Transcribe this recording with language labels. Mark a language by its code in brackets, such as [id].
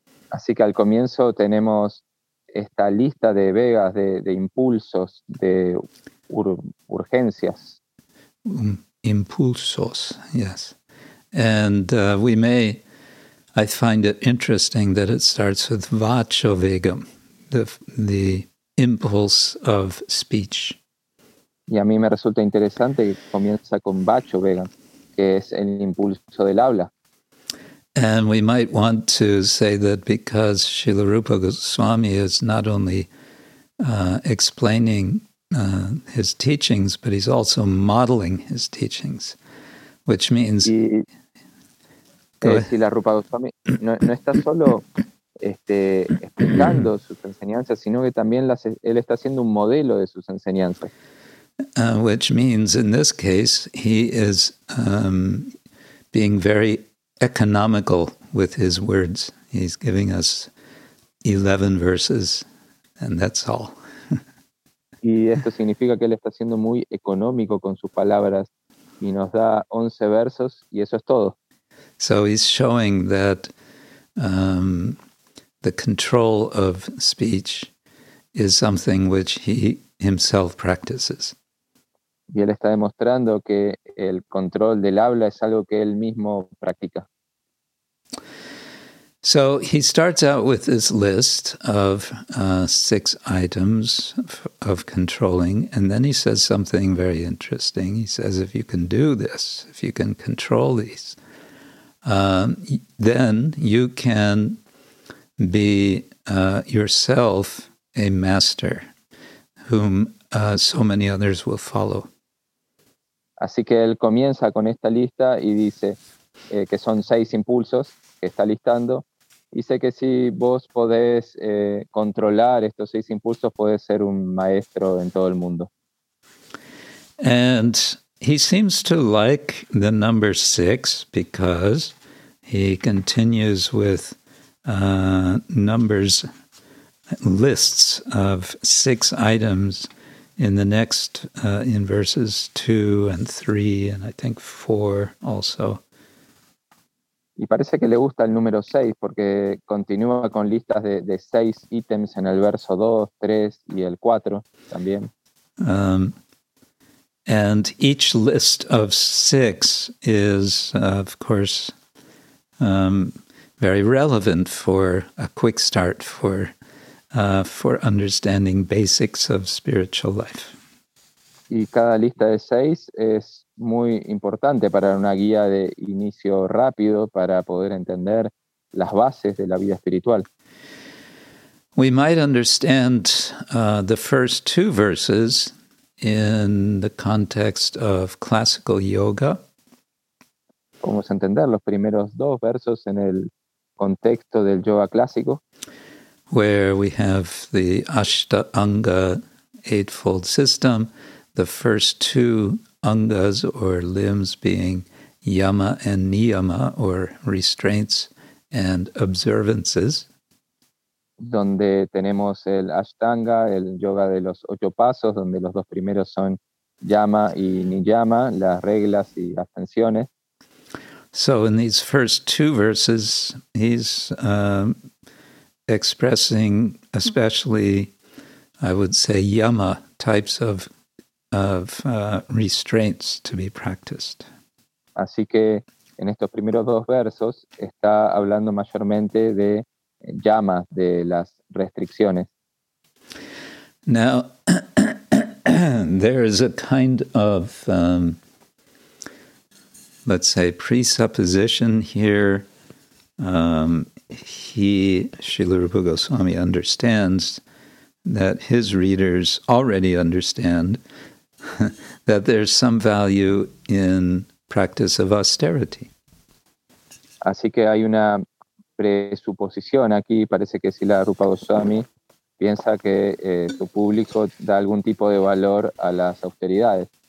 [es] Así que al comienzo tenemos esta lista de vegas, de impulsos, de urgencias. Impulsos, [en] yes. And we may, I find it interesting that it starts with vacho vegam, the impulse of speech. [es] Y a mí me resulta interesante que comienza con vacho vegam, que es el impulso del habla. [en] And we might want to say that because Srila Rupa Goswami is not only explaining his teachings, but he's also modeling his teachings, which means... [es] Si la Rupa Goswami no está solo explicando sus enseñanzas, sino que también él está haciendo un modelo de sus enseñanzas. [en] Which means, in this case, he is being very economical with his words. He's giving us 11 verses, and that's all. [es] Y esto significa que él está siendo muy económico con sus palabras y nos da 11 versos y eso es todo. [en] So he's showing that the control of speech is something which he himself practices. [es] Y él está demostrando que el control del habla es algo que él mismo practica. [en] So he starts out with this list of 6 items of controlling, and then he says something very interesting. He says, if you can do this, if you can control these, then you can be yourself a master whom so many others will follow. [es] Así que él comienza con esta lista y dice que son 6 impulsos que está listando. Dice que si vos podés controlar estos 6 impulsos, podés ser un maestro en todo el mundo. [en] And he seems to like the number 6 because... He continues with numbers, lists of 6 items in the next, in verses 2 and 3, and I think 4 also. [es] Y parece que le gusta el número 6 porque continúa con listas de 6 ítems en el verso 2, 3 y el 4 también. [en] And each list of 6 is, of course... very relevant for a quick start for understanding basics of spiritual life. [es] Y cada lista de 6 es muy importante para una guía de inicio rápido para poder entender las bases de la vida espiritual. [en] We might understand the first 2 verses in the context of classical yoga. [es] Podemos entender los primeros 2 versos en el contexto del yoga clásico. [en] Where we have the Ashtanga Eightfold System, the first 2 angas or limbs being yama and niyama or restraints and observances. [es] Donde tenemos el Ashtanga, el yoga de los 8 pasos, donde los 2 primeros son yama y niyama, las reglas y abstenciones. [en] So in these first 2 verses, he's expressing especially, I would say, yama types of restraints to be practiced. [es] Así que en estos primeros 2 versos está hablando mayormente de yama, de las restricciones. [en] Now, there is a kind of... let's say, presupposition here, Srila Rupa Goswami understands that his readers already understand that there's some value in practice of austerity. [es] Así que hay una presuposición aquí, parece que si la Rupa Goswami piensa que su público da algún tipo de valor a las austeridades.